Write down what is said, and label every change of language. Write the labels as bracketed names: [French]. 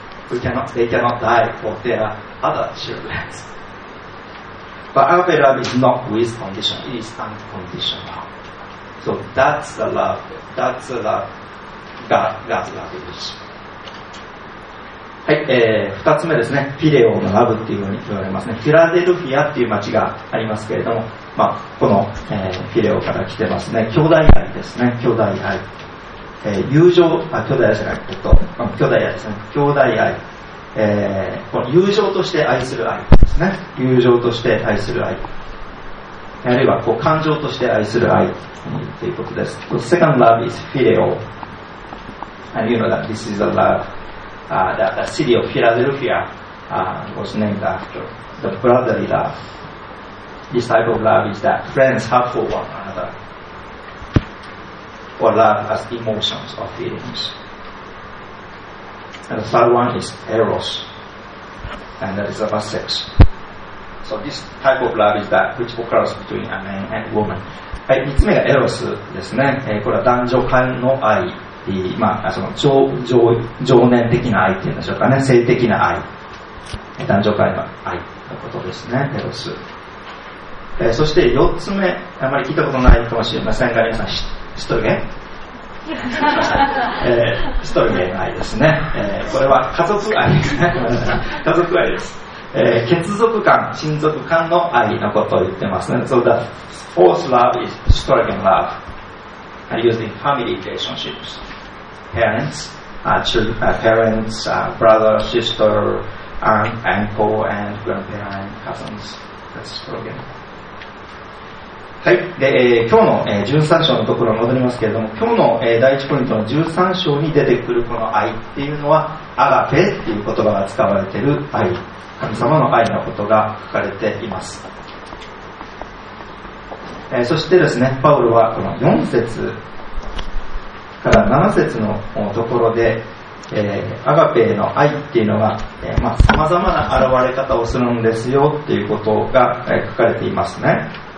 [English] They cannot die for their other children. But agape love is not with condition, it is unconditional. So that's the love, that's the love, God's love is. [Japanese] はい、二つ目ですね、フィレオのラブっていうふうに言われますね。フィラデルフィアっていう町がありますけれども、まあ、この、フィレオから来てますね。兄弟愛ですね、兄弟愛。友情、あ、兄弟愛じゃない、兄弟愛ですね、兄弟愛。この友情として愛する愛ですね、友情として愛する愛。あるいはこう感情として愛する愛ということです。 [English] The second love is Phileo. And you know that this is a love、that the city of Philadelphia、was named after. The brotherly love. This type of love is that friends have for one another. Or love as emotions or feelings. And the third one is Eros. And that is about sex. So this type of love is that which occurs between a man and woman. [Japanese] はい、3つ目がエロスですね。これは男女間の愛、まあ、その情念的な愛っていうんでしょうかね、性的な愛、男女間の愛のことですね、エロス。そして4つ目、あまり聞いたことないかもしれませんが、皆さん、ストルゲ、ストルゲの愛ですね、これは家族愛家族愛です。血族間、親族間の愛のことを言ってますね。 [English] So the fourth love is Sturgeon love. I use in family relationships. Parents, parents, brother, sister, aunt, uncle, and grandparent, cousins. That's Sturgeon. はい。 [Japanese] で、今日の、13章のところに戻りますけれども、今日の、第1ポイントの13章に出てくるこの愛っていうのは、アガペっていう言葉が使われている愛。神様の愛のことが書かれています、そしてですね、パウロはこの4節から7節のところで、アガペの愛っていうのが、まあ、様々な現れ方をするんですよっていうことが、書かれていますね、